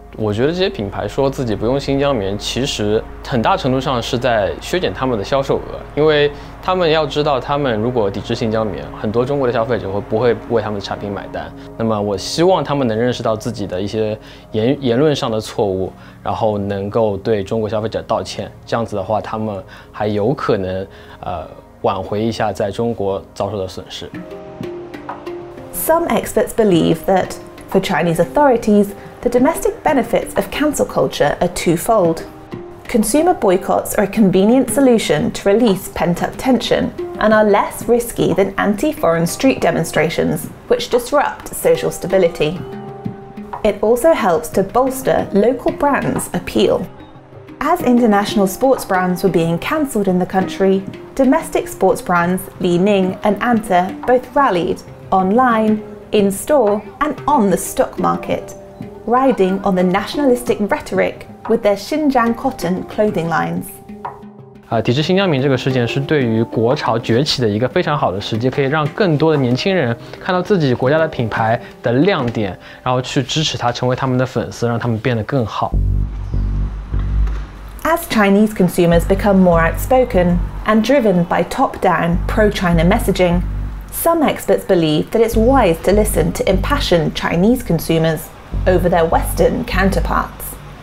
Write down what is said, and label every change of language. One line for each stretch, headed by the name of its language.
Chinese: 我觉得这些品牌说自己不用新疆棉，其实很大程度上是在削减他们的销售额，因为他们要知道他们如果抵制新疆棉，很多中国的消费者会不会为他们的产品买单。那么我希望他们能认识到自己的一些言论上的错误，然后能够对中国消费者道歉，这样子的话他们还有可能挽回一下在中国遭受的损失。
English: Some experts believe that, for Chinese authorities, the domestic benefits of cancel culture are twofold. Consumer boycotts are a convenient solution to release pent-up tension and are less risky than anti-foreign street demonstrations, which disrupt social stability. It also helps to bolster local brands' appeal. As international sports brands were being cancelled in the country, domestic sports brands Li Ning and Anta both rallied online, in store, and on the stock market, riding on the nationalistic rhetoric with their Xinjiang cotton clothing lines.
Chinese: 抵制新疆棉这个事件是对于国潮崛起的一个非常好的时机，可以让更多的年轻人看到自己国家的品牌的亮点，然后去支持它，成为他们的粉丝，让他们变得更好。
English: As Chinese consumers become more outspoken and driven by top-down pro-China messaging, some experts believe that it's wise to listen to impassioned Chinese consumers over their Western counterparts.